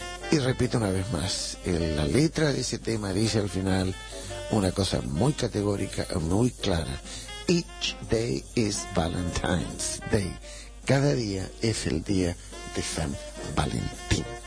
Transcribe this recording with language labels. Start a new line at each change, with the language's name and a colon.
Spanish: Y repito una vez más, la letra de ese tema dice al final una cosa muy categórica, muy clara.
English: Each day is Valentine's Day.
Spanish: Cada día es el día de San Valentín.